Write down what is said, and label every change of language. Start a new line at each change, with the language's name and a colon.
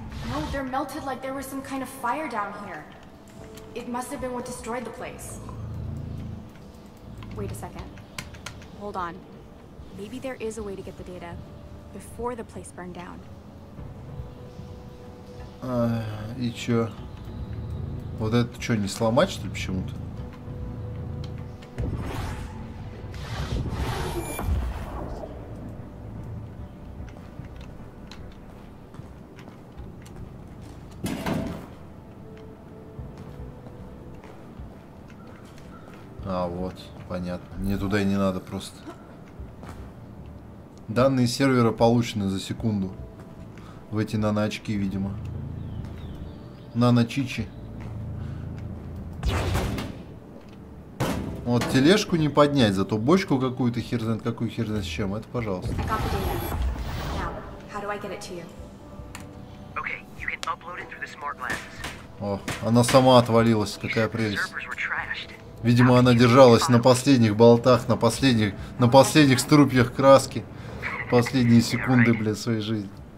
English: No, they're melted like there was some kind of fire down here. It must have been what destroyed the place. Wait a second. Hold on. Maybe there is a way to get the data before the place burned down.
Russian: И чё? Вот это чё, не сломать, что ли, почему-то? А, вот, понятно. Мне туда и не надо просто. Данные сервера получены за секунду. В эти наночки, видимо. Наночичи. Вот тележку не поднять, зато бочку какую-то хер знает, какую хер знает с чем. Это пожалуйста.
English: Now, how do I get it to you? Okay, you can upload it through the smart glasses.
Russian: О, она сама отвалилась, какая прелесть. Видимо, она держалась на последних болтах, на последних струпьях краски. Последние секунды, бля, своей жизни.